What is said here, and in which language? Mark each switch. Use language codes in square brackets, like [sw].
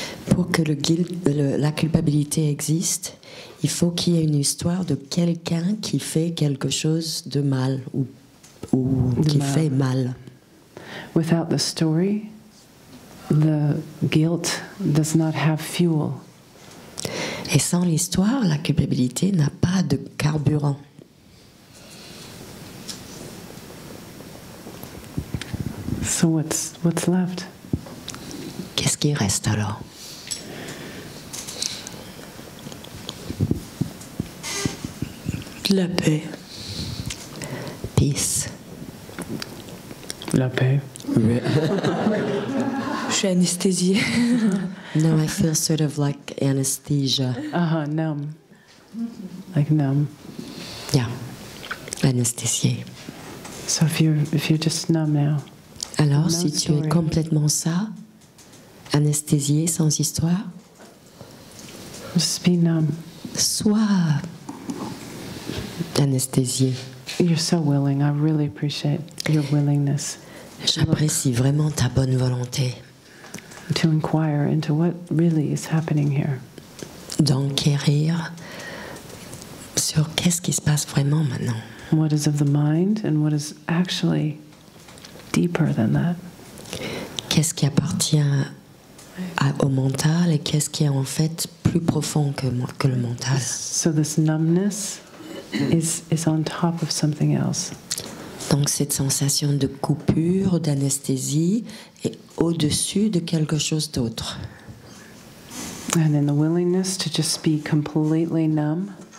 [fr] Pour que la culpabilité existe, il faut qu'il y ait une histoire de quelqu'un qui fait quelque chose de mal ou qui fait mal. [en] Without the story, the guilt does not have fuel. [fr] Et sans l'histoire, la culpabilité n'a pas de carburant. [en] So what's left? [fr] Qu'est-ce qui reste alors? La paix. [en] Peace. [fr] La paix. Je suis anesthésiée. [en] No, I feel sort of like anesthesia. Uh-huh, numb. Like numb. [fr] Yeah. Anesthésiée. [en] So if you're just numb now. [fr] Alors, si tu es complètement ça, anesthésiée sans histoire. [en] Just be numb. [fr] Sois anesthésiée. [en] You're so willing. I really appreciate your willingness. [fr] J'apprécie vraiment ta bonne volonté. [en] To inquire into what really is happening here. [fr] D'enquérir sur qu'est-ce qui se passe vraiment maintenant. [en] What is of the mind and what is actually deeper than that. [fr] Qu'est-ce qui appartient au mental et qu'est-ce qui est en fait plus profond que le mental. [en] So this numbness is on top of something else. [fr] Donc cette sensation de coupure, d'anesthésie, est au-dessus de quelque chose d'autre. [en] And then the willingness to just be completely numb.